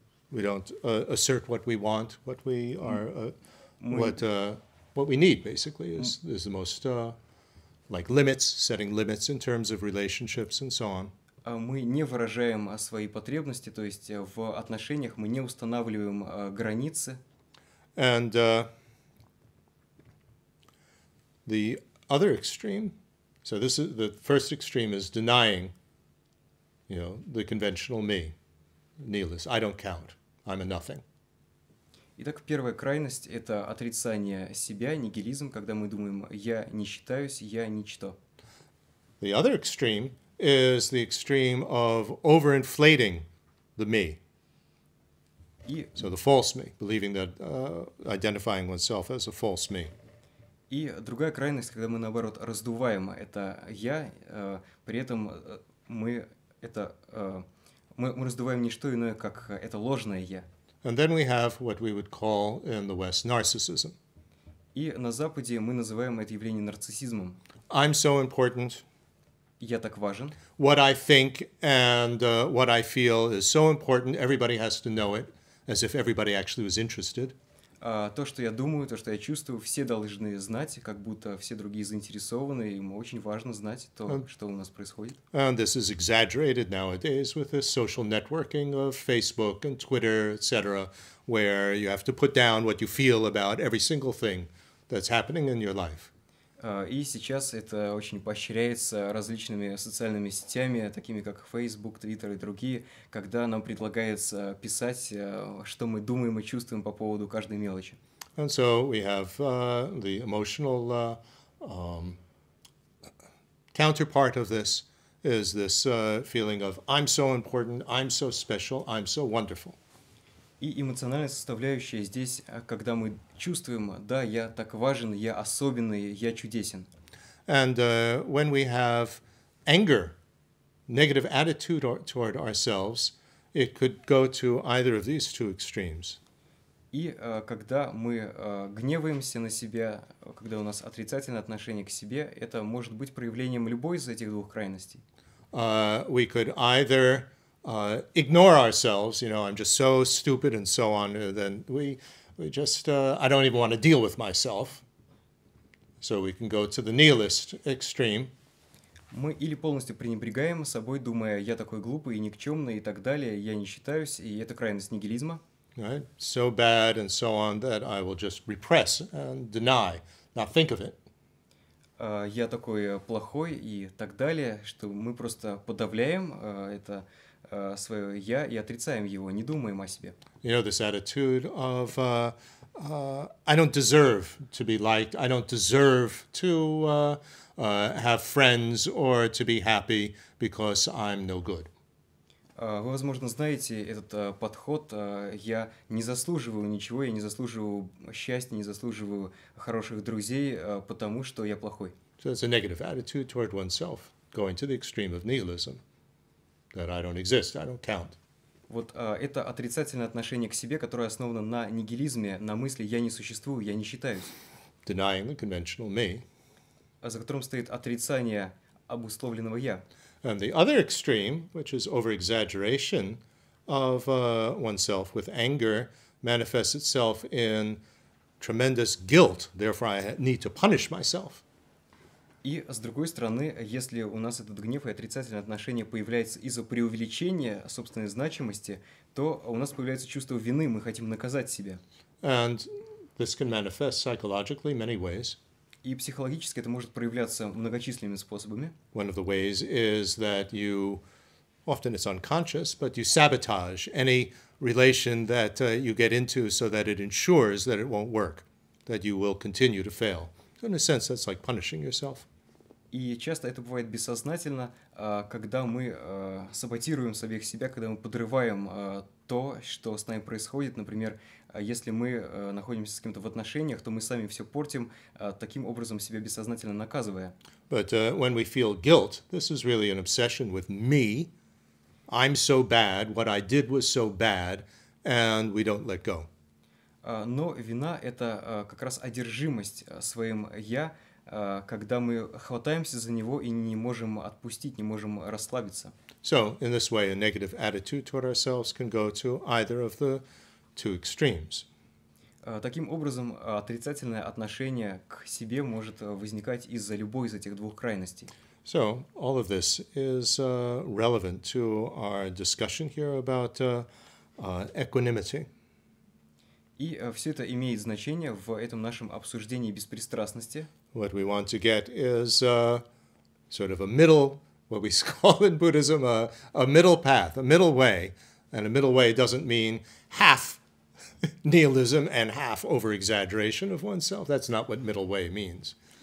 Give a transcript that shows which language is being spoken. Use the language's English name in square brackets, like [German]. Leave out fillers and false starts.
[English] We don't assert what we want, what we are, what we need, basically, is the most, like limits, setting limits in terms of relationships and so on. [Russian] мы не выражаем свои потребности, то есть в отношениях мы не устанавливаем границы. [English] And the other extreme, so this is the first extreme is denying, you know, the conventional me, nihilist. I don't count. I'm a nothing. [Russian] Итак, первая крайность — это отрицание себя, нигилизм, когда мы думаем: я не считаюсь, я ничто. [English] The other extreme is the extreme of overinflating the me. So the false me, believing that identifying oneself as a false me. [Russian] И другая крайность, когда мы наоборот раздуваем это я, при этом мы это мы раздуваем не что иное, как это ложное я. [English] And then we have what we would call in the West narcissism. [Russian] И на Западе мы называем это явление нарциссизмом. [English] I'm so important. [Russian] Я так важен. [English] What I think and what I feel is so important, everybody has to know it, as if everybody actually was interested. [Russian] То, что я думаю, то, что я чувствую, все должны знать, как будто все другие заинтересованы, им очень важно знать то, что у нас происходит. [English] And this is exaggerated nowadays with this social networking of Facebook and Twitter, etc., where you have to put down what you feel about every single thing that's happening in your life. [Russian] И сейчас это очень поощряется различными социальными сетями, такими как Facebook, Twitter и другие, когда нам предлагается писать, что мы думаем и чувствуем по поводу каждой мелочи. [English] And so we have the emotional counterpart of this is this feeling of I'm so important, I'm so special, I'm so wonderful. [Russian] И эмоциональная составляющая здесь, когда мы чувствуем: да, я так важен, я особенный, я чудесен. [English] And when we have anger, negative attitude toward ourselves, it could go to either of these two extremes. [Russian] И когда мы гневаемся на себя, когда у нас отрицательное отношение к себе, это может быть проявлением любой из этих двух крайностей. [English] We could either ignore ourselves, you know, I'm just so stupid and so on, then I don't even want to deal with myself. So we can go to the nihilist extreme. [Russian] Мы или полностью пренебрегаем собой, думая: я такой глупый и никчемный и так далее, я не считаюсь, и это крайность нигилизма. [English] Right? So bad and so on that I will just repress and deny, not think of it. [Russian] Я такой плохой и так далее, что мы просто подавляем это свое я и отрицаем его, не думаем о себе. [English] You know, this attitude of I don't deserve to be liked, I don't deserve to have friends or to be happy because I'm no good. [Russian] Вы, возможно, знаете этот подход: я не заслуживаю ничего, я не заслуживаю счастья, не заслуживаю хороших друзей, потому что я плохой. [English] So it's a negative attitude toward oneself, going to the extreme of nihilism. That I don't exist, I don't count. [Russian] Вот это отрицательное отношение к себе, которое основано на нигилизме, на мысли: я не существую, я не считаюсь. [English] Denying the conventional me. [Russian] За которым стоит отрицание обусловленного я. [English] And the other extreme, which is over-exaggeration of oneself with anger, manifests itself in tremendous guilt, therefore I need to punish myself. [Russian] И, с другой стороны, если у нас этот гнев и отрицательное отношение появляется из-за преувеличения собственной значимости, то у нас появляется чувство вины, мы хотим наказать себя. [English] And this can manifest psychologically many ways. [Russian] И психологически это может проявляться многочисленными способами. [English] One of the ways is that you, often it's unconscious, but you sabotage any relation that you get into so that it ensures that it won't work, that you will continue to fail. In a sense, that's like punishing yourself. [Russian] И часто это бывает бессознательно, когда мы саботируем самих себя, когда мы подрываем то, что с нами происходит. Например, если мы находимся с кем-то в отношениях, то мы сами все портим, таким образом себя бессознательно наказывая. [English] But when we feel guilt, this is really an obsession with me. I'm so bad, what I did was so bad, and we don't let go. [Russian] Но вина — это как раз одержимость своим «я», когда мы хватаемся за него и не можем отпустить, не можем расслабиться. [English] So, in this way, a negative attitude toward ourselves can go to either of the two extremes. [Russian] Таким образом, отрицательное отношение к себе может возникать из-за любой из этих двух крайностей. [English] So all of this is relevant to our discussion here about equanimity. [Russian] И все это имеет значение в этом нашем обсуждении беспристрастности. [English] What we want to get is sort of a middle, what we call in Buddhism, a middle path, a middle way. And a middle way doesn't mean half nihilism and half over-exaggeration of oneself. That's not what middle way means.